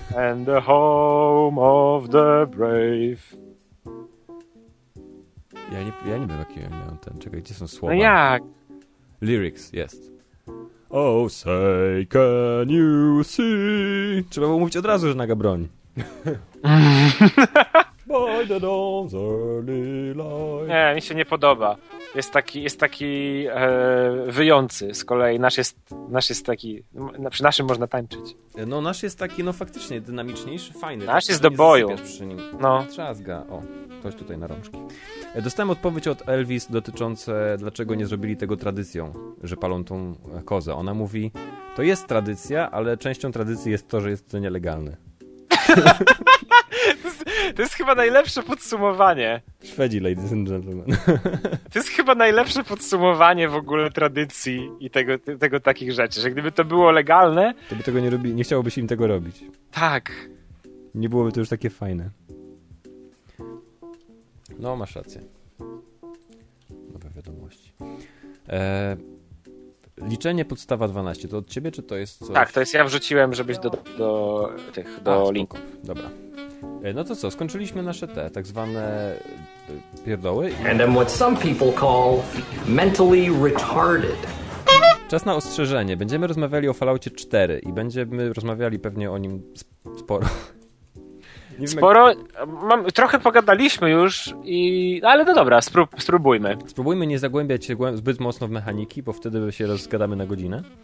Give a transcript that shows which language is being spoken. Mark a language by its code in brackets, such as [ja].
[en] And the home of the brave. [pl] Ja nie wiem, jaki miał ten. Czekaj, gdzie są słowa? No jak? [en] Lyrics, [pl] jest. [en] Oh, say, can you see? [pl] Trzeba było mówić od razu, że naga broń. [en] By the dawn's early light. [pl] Nie, mi się nie podoba. Jest taki wyjący z kolei. Nasz jest taki, przy naszym można tańczyć. No nasz jest taki, no faktycznie, dynamiczniejszy, fajny. Nasz jest do boju. No. Trzazga. O, ktoś tutaj na rączki. Dostałem odpowiedź od Elvis dotyczące, dlaczego nie zrobili tego tradycją, że palą tą kozę. Ona mówi, to jest tradycja, ale częścią tradycji jest to, że jest to nielegalne. To jest chyba najlepsze podsumowanie. Szwedzi, [en] ladies and gentlemen. [pl] To jest chyba najlepsze podsumowanie w ogóle tradycji i tego takich rzeczy, że gdyby to było legalne... To by tego nie robi, nie chciałoby się im tego robić. Tak. Nie byłoby to już takie fajne. No, masz rację. Nowe wiadomości. Liczenie podstawa 12, to od ciebie, czy to jest coś... Tak, to jest, ja wrzuciłem, żebyś do tych, do linków. Dobra. No to co, skończyliśmy nasze te tak zwane pierdoły. [en] And I'm what some people call mentally retarded. [pl] Czas na ostrzeżenie. Będziemy rozmawiali o Falloutie 4 i będziemy rozmawiali pewnie o nim sporo. Sporo? Trochę pogadaliśmy już, ale no dobra, spróbujmy. Spróbujmy nie zagłębiać się zbyt mocno w mechaniki, bo wtedy się rozgadamy na godzinę.